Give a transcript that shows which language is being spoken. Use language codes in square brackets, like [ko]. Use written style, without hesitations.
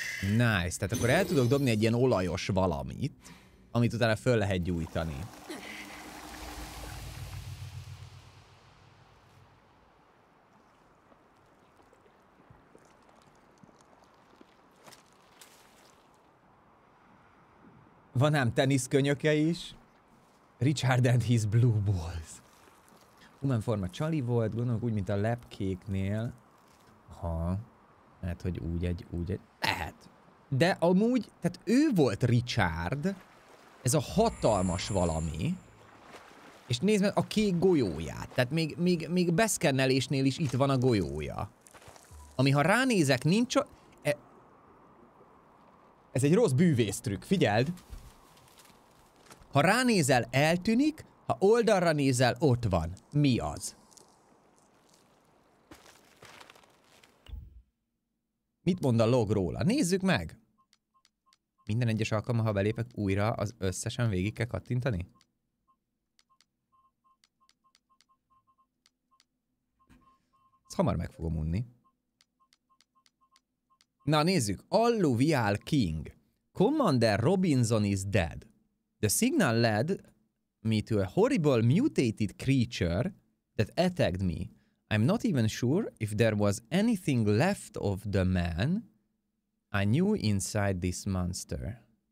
[hu] Nice, tehát akkor el tudok dobni egy ilyen olajos valamit, amit utána föl lehet gyújtani. Van ám teniszkönyöke is. [en] Richard and his blue balls. [hu] Human forma csali volt, gondolom úgy, mint a lepkéknél. Ha, lehet, hogy úgy egy, lehet. De amúgy, tehát ő volt Richard, ez a hatalmas valami, és nézd meg a kék golyóját, tehát még beszkennelésnél is itt van a golyója. Ami ha ránézek, nincs a... Ez egy rossz bűvésztrükk, figyeld! Ha ránézel, eltűnik, ha oldalra nézel, ott van. Mi az? Mit mond a log róla? Nézzük meg! Minden egyes alkalommal, ha belépek újra, az összesen végig kell kattintani? Ezt hamar meg fogom unni. Na, nézzük! Alluvial King. [en] Commander Robinson is dead. The signal led me to a horrible mutated creature that attacked me. I'm not even sure if there was anything left of the man I knew inside this monster.